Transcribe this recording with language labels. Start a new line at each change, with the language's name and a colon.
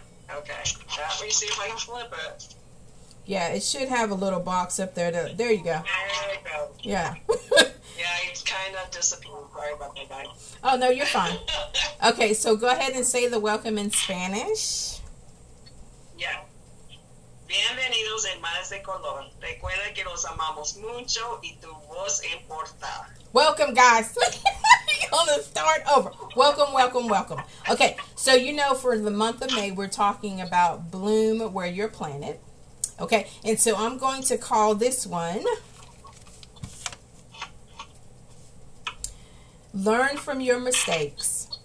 English: Okay, let me see if I can flip it. Yeah, it should have a little box up there. There you go. There you go. Yeah. Yeah, it's kind of disappeared. Sorry about that, guys. Oh, no, you're fine. Okay, so go ahead and say the welcome in Spanish.
Spanish: Yeah. Bienvenidos, hermanas de color. Recuerda que los amamos mucho y tu voz importa.
English: Welcome, guys. Gonna start over. Welcome, welcome, welcome. Okay, so you know, for the month of May, we're talking about bloom where you're planted. Okay, and so I'm going to call this one learn from your mistakes.